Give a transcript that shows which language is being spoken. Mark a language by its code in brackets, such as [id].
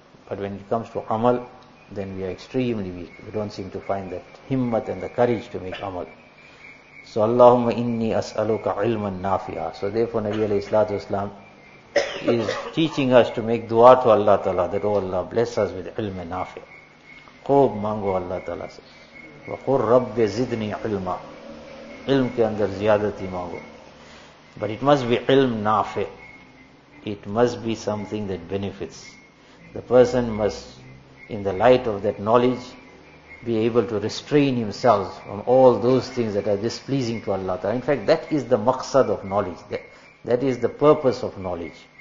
[en] But when it comes to amal, then we are extremely weak. We don't seem to find that himmat and the courage to make amal. So [ar] Allahumma inni as'aluka ilman nafi'a. [en] So therefore Nabi alayhi salatu wasalam is teaching us to make dua to Allah Ta'ala that, oh Allah, bless us with ilm and nafi'a. [ur] Khoob mango [en] Allah Ta'ala says. [ar] وَقُرْ رَبِّ زِدْنِي عِلْمًا. [ur] علم کے اندر زیادتی مانگو. [en] But it must be علم نافع. It must be something that benefits. The person must, in the light of that knowledge, be able to restrain himself from all those things that are displeasing to Allah. In fact, that is the maqsad of knowledge. That is the purpose of knowledge.